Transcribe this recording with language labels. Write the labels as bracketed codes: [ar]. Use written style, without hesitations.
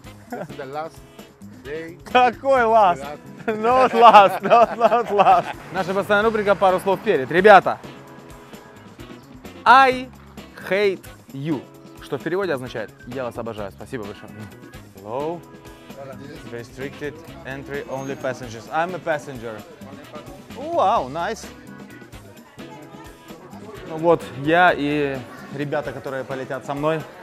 [ru] Какой [en] last? Not last, not last, last. [ru] Наша постоянная рубрика «Пару слов перед». Ребята, [en] I hate you, [ru] что в переводе означает «Я вас обожаю». Спасибо большое. [en] Hello. Restricted entry, only passengers. I'm a passenger. Wow, nice. [ru] Вот я и ребята, которые полетят со мной.